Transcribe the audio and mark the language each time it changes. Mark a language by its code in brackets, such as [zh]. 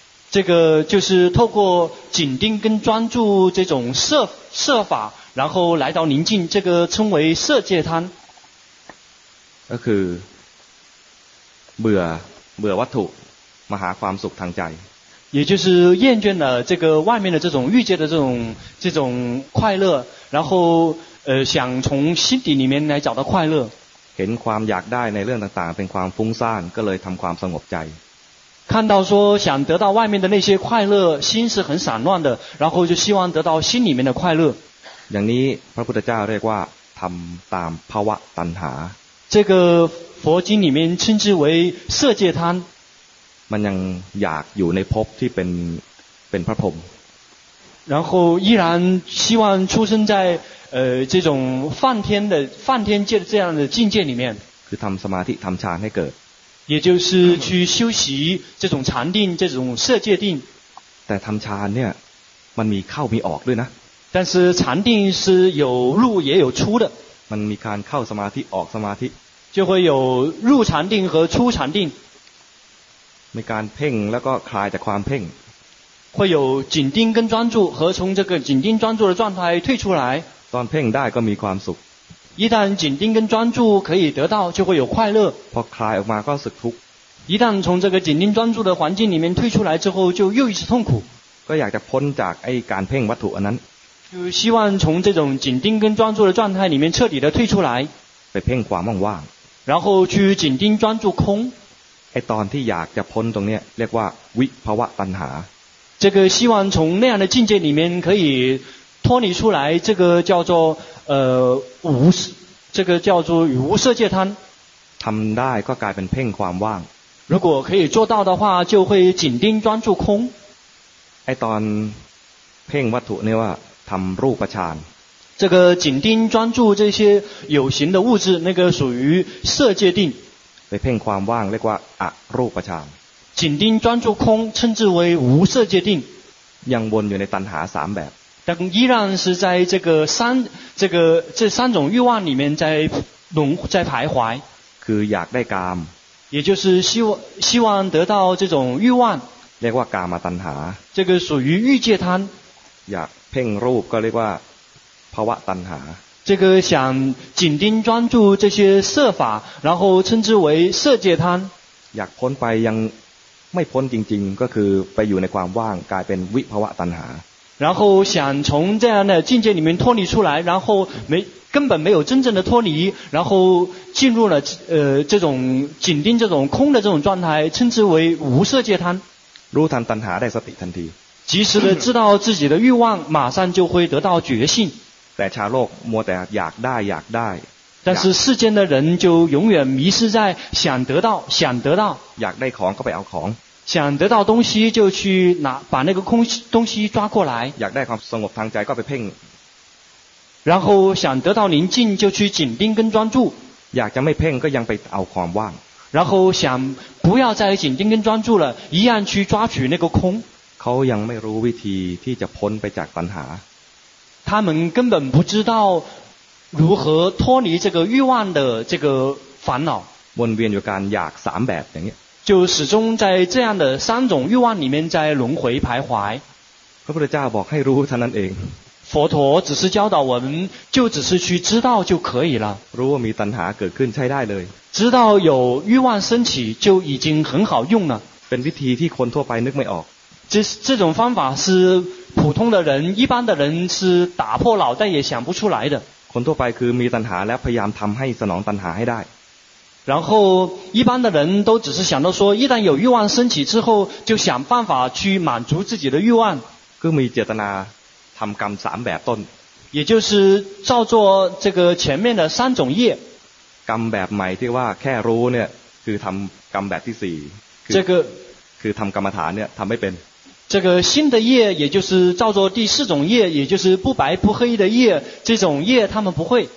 [zh] 这个就是透过紧盯跟专注这种摄法然后来到宁静这个称为摄戒贪 [th] ก็คือเบื่อวัตถุมาหาความสุขทางใจ [zh] 也就是厌倦了这个外面的这种欲界的这种快乐，然后想从心底里面来找到快乐。 [th] เห็นความอยากได้ในเรื่องต่างๆเป็นความฟุ้งซ่านก็เลยทำความสงบใจ。 [zh] 看到说想得到外面的那些快乐，心是很散乱的，然后就希望得到心里面的快乐。 [th] อย่างนี้พระพุทธเจ้าเรียกว่าทำตามภวะตัณหา。 [zh] 这个佛经里面称之为色界贪。 [th] มันยังอยากอยู่ในภพที่เป็นพระพรหม [zh] 然后依然希望出生在这种梵天界的这样的境界里面 [th] คือทำสมาธิทำฌานให้เกิด [zh] 也就是去修习这种禅定这种色界定 [th] แต่ทำฌานเนี่ยมันมีเข้ามีออกด้วยนะ [zh] 但是禅定是有入也有出的 [th] มันมีการเข้าสมาธิออกสมาธิ [zh] 就会有入禅定和出禅定 [th] มีการเพ่งแล้วก็คลายจากความเพ่ง [zh] 会有紧盯跟专注和从这个紧盯专注的状态退出来 [th] ตอนเพ่งได้ก็มีความสุข [zh] 一旦紧盯跟专注可以得到就会有快乐 [th] พอคลายออกมาก็สึกทุกข์ [zh] 一旦从这个紧盯专注的环境里面退出来之后就又一次痛苦 [th] ก็อยากจะพ้นจากไอ้การเพ่งวัตถุอันนั้น [zh] 就希望从这种紧盯跟专注的状态里面彻底的退出来 [th] ไปเพ่งความว่าง [zh] ๆ然后去紧盯专注空 [th] ไอ้ตอนที่อยากจะพ้นตรงนี้เรียกว่าวิภวะตัณหา [zh] 这个希望从那样的境界里面可以脱离出来这个叫做无这个叫做无色界贪 [th] ทำได้ก็กลายเป็นเพ่งความว่าง [zh] 如果可以做到的话就会紧盯专注空 [th] ไอ้ตอนเพ่งวัตถุนี่ว่าทำรูปฌาน [zh] 这个紧盯专注这些有形的物质那个属于色界定 [th] ไปเพ่งความว่างเรียกว่าอรูปฌาน [zh] 紧盯专注空称之为无色界定 [th] ยังวนอยู่ในตัณหา3แบบ [zh] 但依然是在这个三这个这三种欲望里面在徘徊 [th] คืออยากได้กาม [zh] 也就是希望得到这种欲望 [th] เรียกว่ากามตัณหา [zh] 这个属于欲界贪 [th] อยากเพ่งรูปก็เรียกว่าภวะตัณหา [zh] 这个想紧盯专注这些色法然后称之为色界贪 [th] อยากพ้นไปยังไม่พ้นจริงๆก็คือไปอยู่ในความว่างกลายเป็นวิภวะตัณหา [zh] 然后想从这样的境界里面脱离出来然后根本没有真正的脱离然后进入了这种紧盯这种空的这种状态称之为无色界贪 [th] รู้ทันตัณหาได้สติทันที [zh] 及时的知道自己的欲望马上就会得到觉性 [th] แต่ชาวโลกมัวแต่อยากได้อยากได้ [zh] 但是世间的人就永远迷失在想得到想得到 [th] อยากได้ของก็ไปเอาของ [zh] 想得到东西就去拿把那个空东西抓过来 [th] อยากได้ความสงบทางใจก็ไปเพ่ง [zh] 然后想得到宁静就去紧盯跟专注 [th] อยากจะไม่เพ่งก็ยังไปเอาความว่าง [zh] 然后想不要再紧盯跟专注了一样去抓取那个空 [th] เขายังไม่รู้วิธีที่จะพ้นไปจากปัญหา [zh] 他们根本不知道如何脱离这个欲望的这个烦恼 [th] วนเวียนอยู่การอยากสามแบบอย่างนี้ [zh] 就始终在这样的三种欲望里面在轮回徘徊 [th] พระพุทธเจ้าบอกให้รู้เท่านั้นเอง [zh] 佛陀只是教导我们就只是去知道就可以了如果 [th] มีตัณหาเกิดขึ้นใช้ได้เลย [zh] 知道有欲望升起就已经很好用了 [th] เป็นวิธีที่คนทั่วไปนึกไม่ออก [zh] 这种方法是普通的人一般的人是打破脑袋也想不出来的 [th] คนทั่วไปคือมีตัณหาและพยายามทำให้สนองตัณหาให้ได้ [zh] 然后一般的人都只是想到说一旦有欲望升起之后就想办法去满足自己的欲望 [th] ก็มีเจตนาทำกรรมสามแบบต้น [zh] 也就是照做这个前面的三种业 [th] กรรมแบบใหม่ที่ว่าแค่รู้เนี่ยคือทำกรรมแบบที่สี่ [zh] 这个 [th] คือทำกรรมฐานเนี่ยทำไม่เป็น [zh] 这个新的业也就是照做第四种业也就是不白不黑的业这种业他们不会